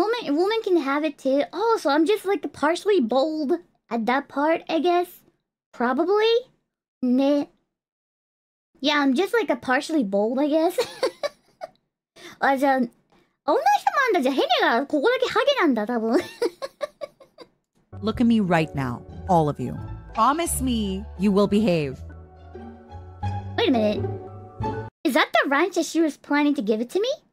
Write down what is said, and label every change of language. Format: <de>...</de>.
<en>Woman can have it too. Oh, so I'm just like partially bald at that part, I guess. Probably. ね。 Yeah, I'm just like partially bald, I guess.</en> <ja>あ、じゃあ、女の人もあんだ。じゃあ、ヘネがここだけハゲなんだ、多分。</ja> <en>Look at me right now, all of you. Promise me you will behave. Wait a minute. Is that the wrench that she was planning to give it to me?</en>